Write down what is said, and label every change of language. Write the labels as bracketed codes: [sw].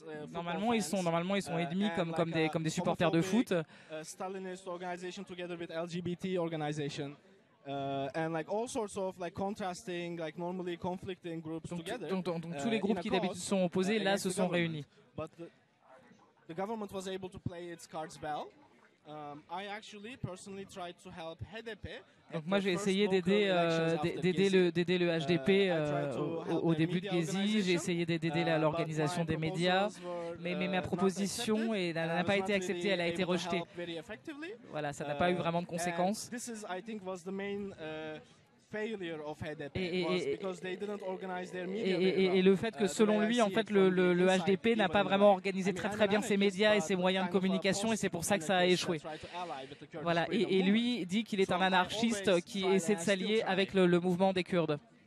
[fr] Normalement ils sont ennemis comme des supporters de foot. [en] Stalinist organization together with LGBT organization. And like all sorts of like contrasting like normally conflicting groups together. [fr] Donc tous les groupes qui d'habitude sont opposés là se sont réunis. [en] But the government was able to play its cards well. I actually personally tried to help HDP. [fr] Donc moi j'ai essayé d'aider le HDP au début de Gezi, j'ai essayé d'aider l'organisation des médias, mais ma proposition n'a pas été acceptée, elle a été rejetée. Voilà, ça n'a pas eu vraiment de conséquences. [en] This is, I think, was the main failure of HDP was because they didn't organize their media. [fr] Et le fait que selon lui, en fait, le HDP n'a pas vraiment organisé très bien ses médias et ses moyens de communication, et c'est pour ça que ça a échoué. Voilà. Et lui dit qu'il est un anarchiste qui essaie de s'allier avec le mouvement des Kurdes.